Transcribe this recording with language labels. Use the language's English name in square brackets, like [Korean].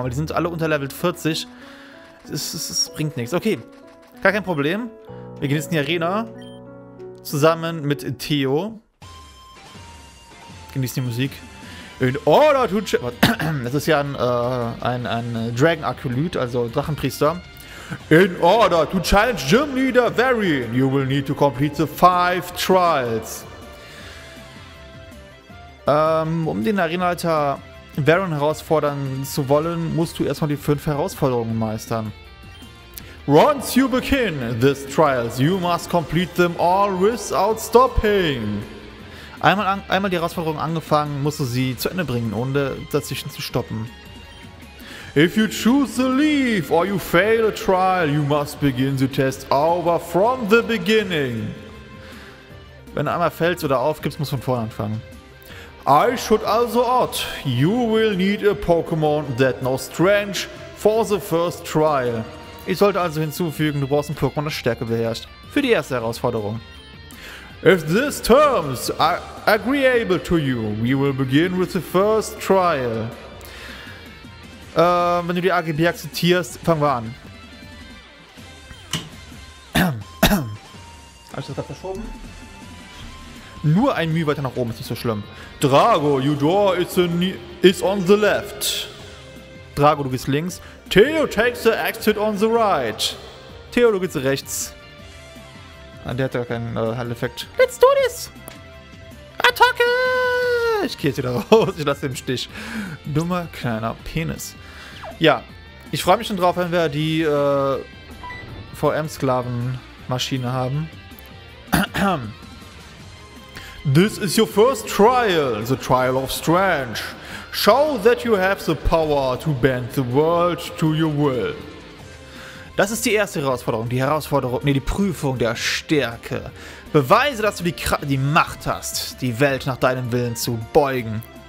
[German] Aber die sind alle unterlevelt 40. Es bringt nichts. Okay, gar kein Problem. Wir gehen jetzt in die Arena. Zusammen mit Theo. Genießt die Musik. [English] In order to [German] das ist ja ein Dragon Akolyt, also Drachenpriester. [English] In order to challenge Gym Leader Varian, you will need to complete the 5 Trials. [German] Um den Arenaleiter Varian herausfordern zu wollen, musst du erstmal die 5 Herausforderungen meistern. [English] Once you begin these trials, you must complete them all without stopping. [German] Einmal die Herausforderung angefangen, musst du sie zu Ende bringen, ohne dazwischen zu stoppen. [English] If you choose to leave or you fail a trial, you must begin the test over from the beginning. [German] Wenn du einmal fällst oder aufgibst, musst du von vorne anfangen. [English] I should also add, you will need a Pokémon that knows Strange for the first trial. [German] Ich sollte also hinzufügen, du brauchst ein Pokémon, das Stärke beherrscht. Für die erste Herausforderung. [English] If these terms are agreeable to you, we will begin with the first trial. [German] Wenn du die AGB akzeptierst, fangen wir an. Hab ich das gerade verschoben? Nur ein Mühe weiter nach oben, ist nicht so schlimm. [English] Drago, your door is on the left. [German] Drago, du gehst links. [English] Theo takes the exit on the right. [German] Theo, du gehst rechts. Ah, der hat gar keinen Heileffekt. [English] Let's do this! [German] Attacke! Ich gehe jetzt wieder raus, ich lasse den Stich. Dummer kleiner Penis. Ja, ich freue mich schon drauf, wenn wir die VM-Sklaven-Maschine haben. [English] This is your first trial, the Trial of Strange. Show that you have the power to bend the world to your will. [German] Das ist die erste Herausforderung. Die Prüfung der Stärke. Beweise, dass du die Macht hast, die Welt nach deinem Willen zu beugen.